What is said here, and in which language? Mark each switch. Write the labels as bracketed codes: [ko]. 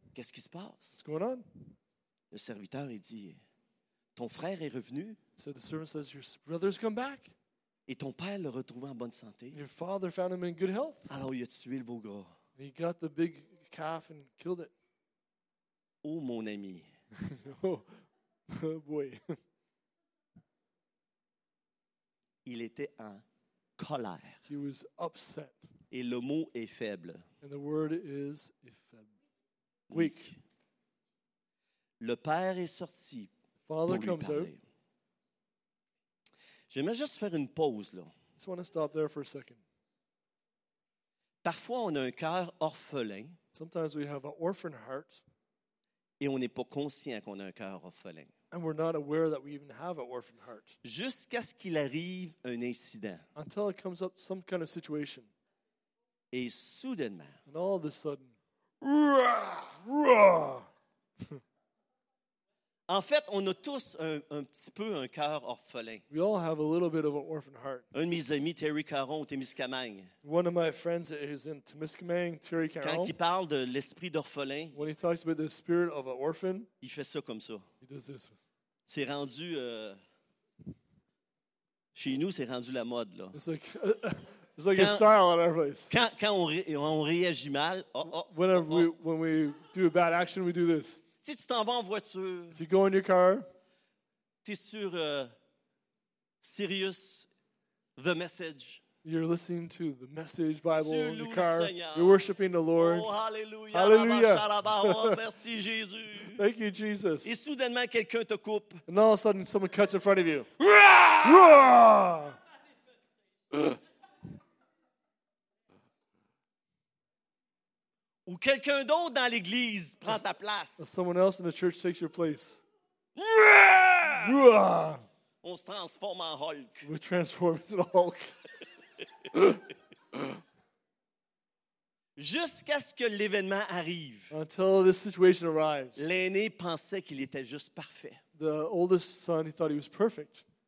[fr] Qu'est-ce qui se passe? [en] What's going on? [fr] Le serviteur, il dit, ton frère est revenu. [en] So the servant says, your brother's come back. [fr] Et ton père l'a retrouvé en bonne santé. [en] Your father found him in good health. [fr] Alors il a tué le veau gras. [en] And he got the big calf and killed it. [fr] Oh, mon ami. [en] Oh, boy. [fr] Il était en colère. [en] He was upset. [fr] Et le mot est faible. [en] And the word is faible. Weak. [fr] Le père est sorti. [en] Father comes out. [fr] J'aimerais juste faire une pause là. [en] I just want to stop there for a second. [fr] Parfois, on a un cœur orphelin. [en] Sometimes we have an orphan heart. [fr] Et on n'est pas conscient qu'on a un cœur orphelin. [en] And we're not aware that we even have an orphan heart. [fr] Jusqu'à ce qu'il arrive un incident. [en] Until it comes up some kind of situation. [fr] Et soudainement. [en] And all of a sudden. Rah, rah. [fr] En fait, on a tous un petit peu un cœur orphelin. [en] We all have a little bit of an orphan heart. [fr] Un de mes amis, Terry Caron, au Témiscamingue. [en] One of my friends is in Témiscamingue, Terry Caron. [fr] Quand il parle de l'esprit d'orphelin, [en] when he talks about the spirit of an orphan, [fr] il fait ça comme ça. [en] He does this. [fr] C'est rendu, chez nous, c'est rendu la mode, là. [en] It's like a style in our place. [fr] Quand on réagit mal, [en] When we do a bad action, we do this. [fr] Si tu t'en vas en voiture, [en] if you go in your car, [fr] t'es sur Sirius, The Message. [en] You're listening to The Message Bible [fr] tu [en] in your [fr] le [en] car. [fr] Seigneur. [en] You're worshiping the Lord. [fr] Oh, hallelujah. Hallelujah. Merci, Jésus. [en] Thank you, Jesus. [fr] Et soudainement, quelqu'un te coupe. [en] And all of a sudden, someone cuts in front of you. Rah! Rah! [fr] Ou quelqu'un d'autre dans l'église prend ta place. [en] Someone else in the church takes your place. Yeah! Yeah! [fr] On se transforme en Hulk. [en] We transform into the Hulk. [fr] Jusqu'à ce que l'événement arrive. [en] Until the situation arrives. [fr] L'aîné pensait qu'il était juste parfait. [en] The oldest son, he thought he was perfect.